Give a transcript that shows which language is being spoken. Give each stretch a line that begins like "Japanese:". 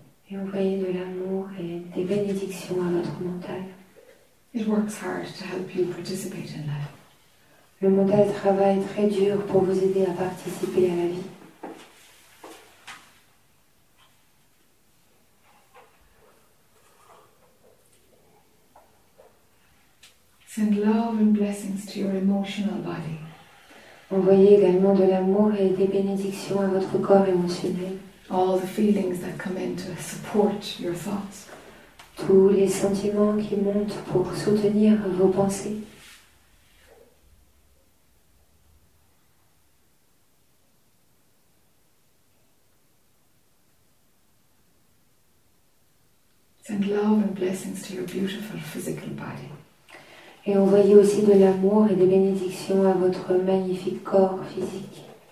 French: Et envoyez de l'amour et des bénédictions à votre mental.
English: It works hard to help you participate in life.
French: Le mental travaille très dur pour vous aider à participer à la vie.
English: Send love and blessings to your emotional body.
French: Envoyez également de l'amour et des bénédictions à votre corps émotionnel.
English: All the feelings that come in to support your thoughts.
French: Tous les sentiments qui montent pour soutenir vos pensées.
English: Send love and blessings to your beautiful physical body.
French: Et envoyez aussi de l'amour et des bénédictions à votre magnifique corps physique.